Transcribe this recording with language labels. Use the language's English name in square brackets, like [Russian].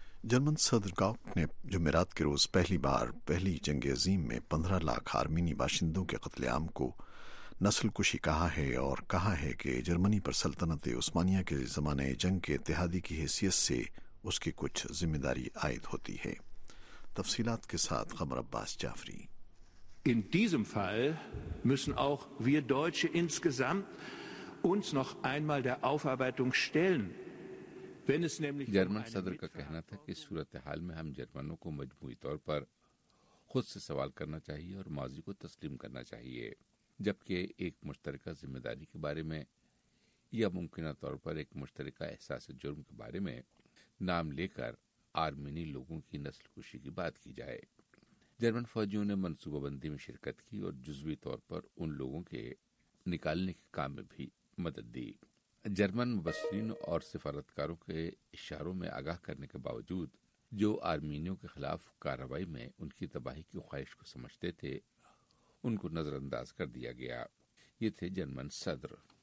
[Urdu] German صدر gout نے جمعرات کے روز پہلی بار پہلی جنگ عظیم میں 15 لاکھ آرمینی باشندوں کے قتل عام کو نسل کشی کہا ہے، اور کہا ہے کہ جرمنی پر سلطنت عثمانیہ کے زمانے جنگ کے اتحادی کی حیثیت سے اس کی کچھ ذمہ داری عائد ہوتی ہے۔ تفصیلات کے ساتھ خبر عباس Jafri. [German] In diesem Fall müssen auch wir Deutsche insgesamt uns noch einmal der Aufarbeitung stellen. [Urdu] German صدر کا کہنا تھا کہ صورتحال میں ہم جرمنوں کو مجموعی طور پر خود سے سوال کرنا چاہیے اور ماضی کو تسلیم کرنا چاہیے، جبکہ ایک مشترکہ ذمہ داری کے بارے میں یا ممکنہ طور پر ایک مشترکہ احساس جرم کے بارے میں نام لے کر آرمینی لوگوں کی نسل کشی کی بات کی جائے۔ جرمن فوجیوں نے منصوبہ بندی میں شرکت کی اور جزوی طور پر ان لوگوں کے نکالنے کے کام میں بھی مدد دی۔ جرمن مبصرین اور سفارتکاروں کے اشاروں میں آگاہ کرنے کے باوجود جو آرمینیوں کے خلاف کارروائی میں ان کی تباہی کی خواہش کو سمجھتے تھے، ان کو نظر انداز کر دیا گیا۔ یہ تھے جرمن صدر۔